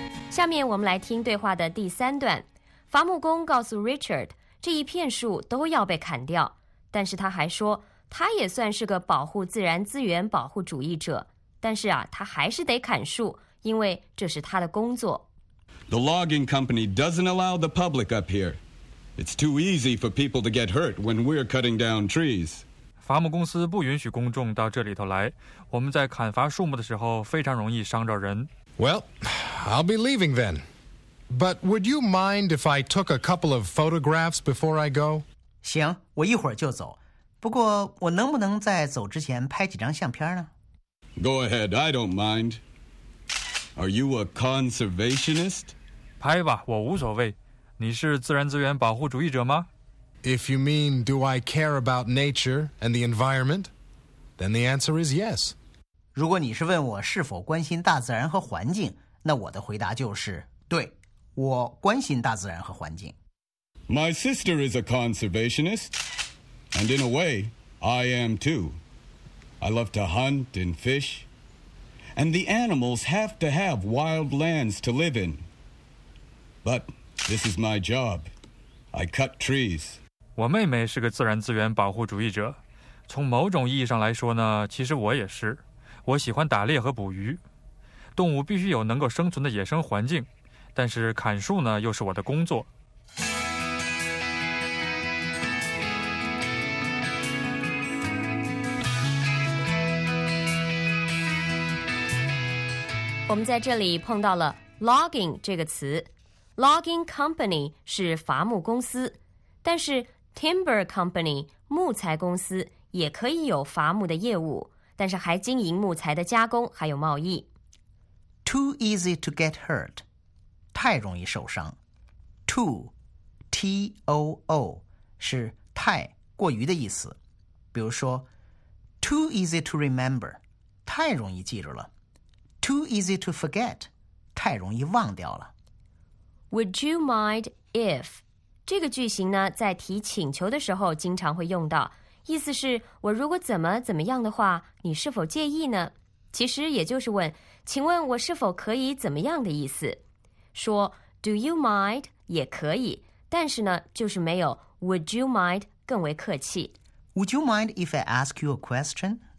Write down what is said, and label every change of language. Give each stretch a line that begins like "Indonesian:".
Chinese: 下面我们来听对话的第三段。伐木工告诉 Richard， 这一片树都要被砍掉，但是他还说他也算是个保护自然资源保护主义者，但是啊，他还是得砍树，因为这是他的工作。
English: The logging company doesn't allow the public up here. It's too easy for people to get hurt when we're cutting down trees.
Chinese: 伐木公司不允许公众到这里头来，我们在砍伐树木的时候非常容易伤着人。
English: Well, I'll be leaving then. But would you mind if I took a couple of photographs before I go?
Chinese: 行，我一会儿就走。不过我能不能在走之前拍几张相片呢？
English: Go ahead, I don't mind. Are you a conservationist?
Chinese: 拍吧，我无所谓。你是自然资源保护主义者吗？
English: If you mean do I care about nature and the environment, then the answer is yes.
Chinese: 如果你是问我是否关心大自然和环境，那我的回答就是，对，我关心大自然和环境。
English: My sister is a conservationist, and in a way, I am too. I love to hunt and fish, and the animals have to have wild lands to live in. But this is my job. I cut trees.
Chinese: 我妹妹是个自然资源保护主义者，从某种意义上来说呢，其实我也是。我喜欢打猎和捕鱼，动物必须有能够生存的野生环境，但是砍树呢，又是我的工作。我们在这里碰到了 logging 这个词， logging company 是伐木公司，但是 timber company 木材公司也可以有伐木的业务，但是还经营木材的加工还有贸易。
English: Too easy to get hurt，
Chinese: 太容易受伤。 Too， T-O-O， 是太过于的意思，比如说
English: Too easy to remember，
Chinese: 太容易记住了。
English: Too easy to forget，
Chinese: 太容易忘掉了。
English: Would you mind if
Chinese: 这个句型呢，在提请求的时候经常会用到，意思是我如果怎么怎么样的话，你是否介意呢？其实也就是问，请问我是否可以怎么样的意思。说
English: Do you mind
Chinese: 也可以，但是呢，就是没有
English: Would you mind
Chinese: 更为客气。
English: Would you mind if I ask you a question?